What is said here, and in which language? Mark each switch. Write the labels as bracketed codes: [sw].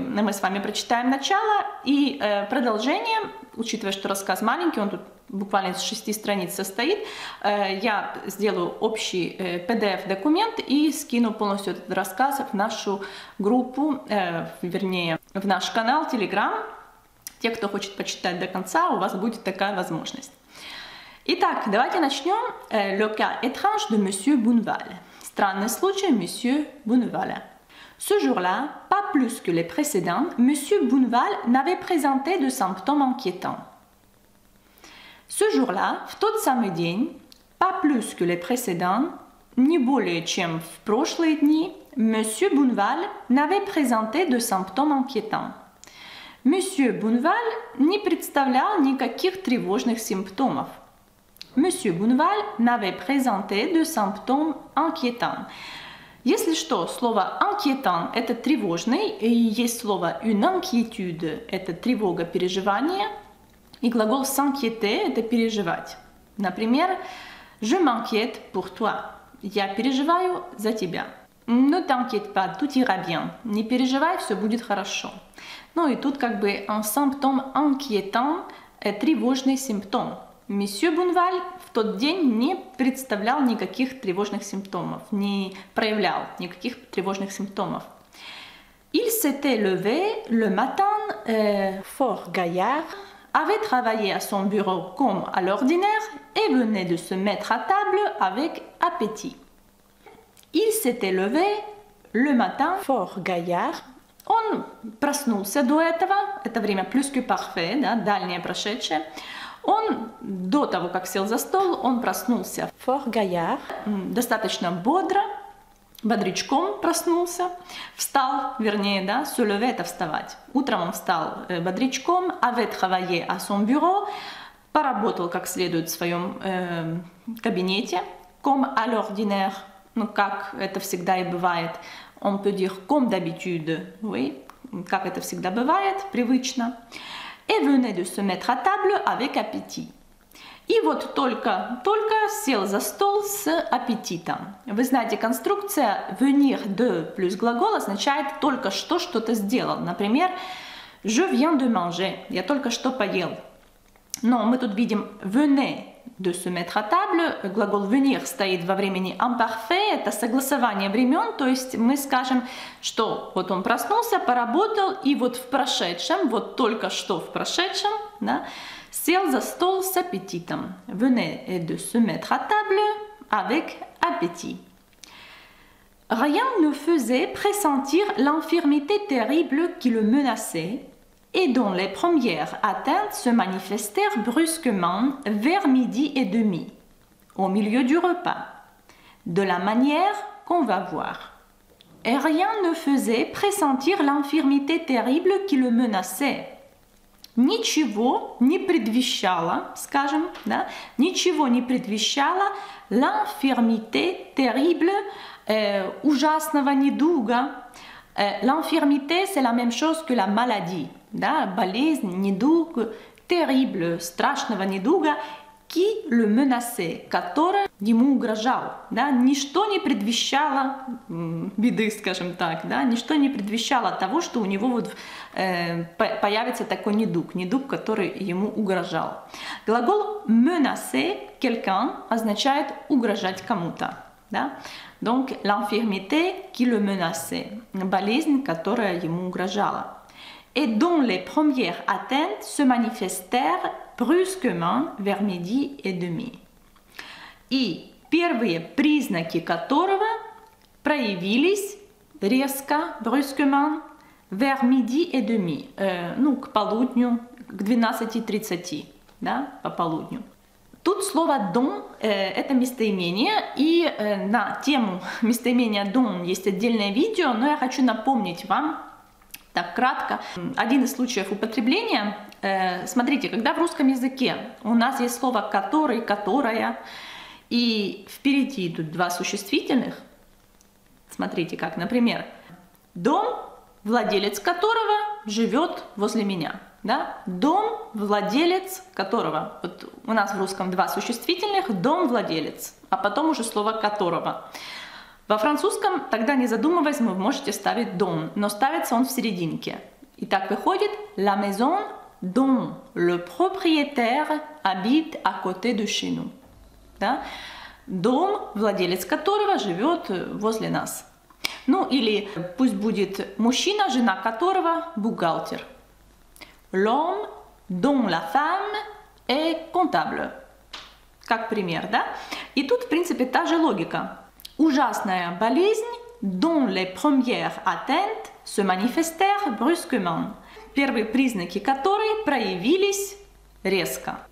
[ru] Мы с вами прочитаем начало и продолжение, учитывая, что рассказ маленький, он тут буквально из 6 страниц состоит, я сделаю общий PDF-документ и скину полностью этот рассказ в нашу группу, вернее, в наш канал Telegram. Те, кто хочет почитать до конца, у вас будет такая возможность. Итак, давайте начнем. [fr] «Le cas étrange de Monsieur Bonneval». [ru] Странный случай Monsieur Bonneval. [fr] Ce jour-là, pas plus que les précédents, Monsieur Bonneval n'avait présenté de symptômes inquiétants. Ce jour-là, [ru] в тот самый день, [fr] pas plus que les précédents, [ru] не более чем в прошлые дни, [fr] Monsieur Bonneval n'avait présenté de symptômes inquiétants. [ru] Monsieur Bonneval не представлял никаких тревожных симптомов. [fr] Monsieur Bonneval n'avait présenté de symptômes inquiétants. [ru] Если что, слово inquiétant – это тревожный, и есть слово une inquiétude – это тревога, переживание, и глагол s'inquiéter – это переживать. Например, [fr] je m'inquiète pour toi [ru] – я переживаю за тебя. [fr] Ne t'inquiète pas, tout ira bien – [ru] не переживай, все будет хорошо. Ну и тут как бы [fr] un symptôme inquiétant [ru] – тревожный симптом. Monsieur Bonneval в тот день не представлял никаких тревожных симптомов, не проявлял никаких тревожных симптомов. [fr] Il s'était levé le matin fort gaillard, avait travaillé à son bureau comme à l'ordinaire et venait de se mettre à table avec appétit. Il s'était levé le matin fort gaillard. [ru] Он проснулся до этого, это время plus que parfait, да, дальнее прошедшее. Он до того, как сел за стол, он проснулся [fr] fort gaillard, [ru] достаточно бодро, бодрячком проснулся, встал, вернее, да, se lever – это вставать. Утром он встал бодрячком, [fr] avait travaillé à son bureau, [ru] поработал как следует в своем кабинете, [fr] comme à l'ordinaire, [ru] ну, как это всегда и бывает, [fr] on peut dire comme d'habitude, oui, [ru] как это всегда бывает, привычно. Et venait de se mettre à table avec appétit. И вот только-только сел за стол с аппетитом. Вы знаете, конструкция venir de плюс глагол означает только что что-то сделал. Например, [fr] je viens de manger. [ru] Я только что поел. Но мы тут видим [fr] venait de se mettre à table. [ru] Глагол venir стоит во времени imparfait. Это согласование времен. То есть мы скажем, что вот он проснулся, поработал, и вот в прошедшем, вот только что в прошедшем, да, сел за стол с аппетитом. [fr] Venait de se mettre à table avec appétit. Rien ne faisait pressentir l'infirmité terrible qui le menaçait, et dont les premières atteintes se manifestèrent brusquement vers midi et demi, au milieu du repas, de la manière qu'on va voir. Et rien ne faisait pressentir l'infirmité terrible qui le menaçait. [ru] Ничего не предвещало, скажем, да, ничего не предвещало [fr] l'infirmité terrible, [ru] ужасного недуга. [fr] L'infirmité, c'est la même chose que la maladie. [ru] Да, болезнь, недуг, terrible, страшного недуга, [fr] qui le menaçait, [ru] который ему угрожал, да, ничто не предвещало беды, скажем так, да, ничто не предвещало того, что у него вот появится такой недуг, недуг, который ему угрожал. Глагол menacer quelqu'un означает угрожать кому-то, да. [fr] Donc l'infirmité qui le menaçait, [ru] болезнь, которая ему угрожала. [fr] Et dont les premières atteintes se manifestèrent brusquement vers midi et demi. [ru] И первые признаки которого проявились резко, brusquement, [fr] vers midi et demi, [ru] ну, к полудню, к 12:30, да, по полудню. Тут слово «дон» — это местоимение, и на тему местоимения «дон» есть отдельное видео, но я хочу напомнить вам так кратко один из случаев употребления. Смотрите, когда в русском языке у нас есть слово «который», «которая», и впереди идут два существительных, смотрите как, например, «дом, владелец которого живет возле меня». Да? Дом, владелец которого. Вот у нас в русском два существительных, дом, владелец, а потом уже слово которого. Во французском, тогда не задумываясь, вы можете ставить дом, но ставится он в серединке. И так выходит: [fr] la maison dont le propriétaire habite à côté de chez nous. [ru] Да? Дом, владелец которого живет возле нас. Ну или пусть будет мужчина, жена которого бухгалтер. [fr] L'homme dont la femme est comptable. [ru] Как пример, да? И тут, в принципе, та же логика. Ужасная болезнь, [fr] dont les premières atteintes se manifestèrent brusquement. [ru] Первые признаки которой проявились резко.